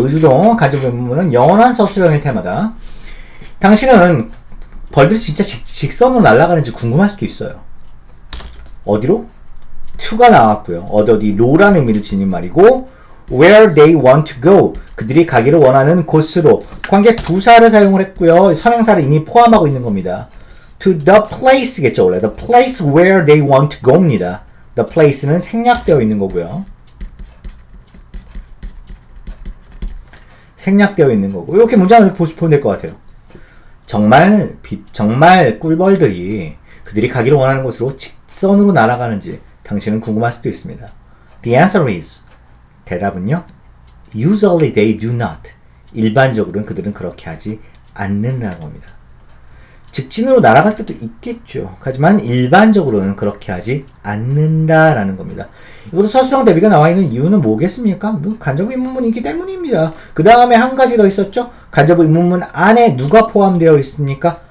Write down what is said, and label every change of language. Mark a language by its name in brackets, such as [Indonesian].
[Korean] 의주동 간접 의문문은 영원한 서술형일 테마다. 당신은 벌들이 진짜 직선으로 날아가는지 궁금할 수도 있어요. 어디로? to가 나왔고요. 어디 로라는 의미를 지닌 말이고 [English] where they want to go [Korean] 그들이 가기를 원하는 곳으로 관계 부사를 사용을 했고요. 선행사를 이미 포함하고 있는 겁니다. to the place겠죠. 원래 [English] the place where they want to go [Korean] 입니다. the place는 생략되어 있는 거고요. 생략되어 있는 거고 이렇게 문장을 이렇게 보시면 될 것 같아요. 정말 꿀벌들이 그들이 가기를 원하는 곳으로 직선으로 날아가는지 당신은 궁금할 수도 있습니다. [English] The answer is, [Korean] 대답은요, [English] usually they do not. [Korean] 일반적으로는 그들은 그렇게 하지 않는다는 겁니다. 직진으로 날아갈 때도 있겠죠. 하지만 일반적으로는 그렇게 하지 않는다라는 겁니다. 이것도 서술형 대비가 나와 있는 이유는 뭐겠습니까? 뭐 간접 의문문이기 때문입니다. 그 다음에 한 가지 더 있었죠? 간접 의문문 안에 누가 포함되어 있습니까?